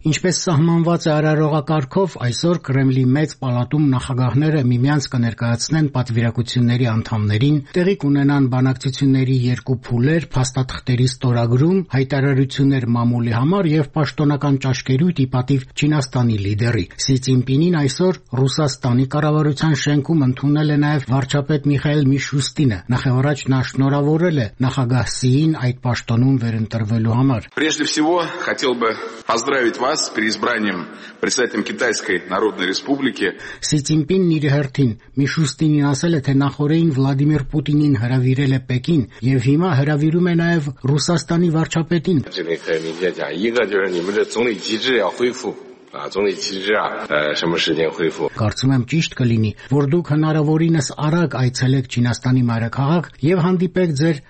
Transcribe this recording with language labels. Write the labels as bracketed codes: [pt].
[hy] Ինչպես սահմանված է արարողակարգով, այսօր Կրեմլի մեծ պալատում նախագահները միմյանց կներկայացնեն պատվիրակությունների անդամներին, տեղի կունենան բանակցությունների երկու փուլեր, փաստաթղթերի ստորագրում, հայտարարություններ մամուլի համար և պաշտոնական ճաշկերույթ ի պատիվ Չինաստանի լիդերի Սի Ցին-Պինին։ Այսօր Ռուսաստանի կառավարության շենքում ընդունել է նաև վարչապետ Միխայել Միշուստինը, նախևառաջ նա շնորհավորել է նախագահ Սիին այդ պաշտոնում վերընտրվելու համար։ [ru] Прежде всего, хотел бы поздравить вас с переизбранием председателем Китайской Народной Республики. [hy] Սի Ցին-Պինն իր հերթին Միշուստինին ասել է, թե նախորդին Վլադիմիր Պուտինին հրավիրել է Պեկին, եւ հիմա հրավիրում է նաեւ Ռուսաստանի վարչապետին։ Կարծում եմ ճիշտ կլինի, որ դուք հնարավորինս արագ այցելեք Չինաստանի մայրաքաղաք և հանդիպեք ձեր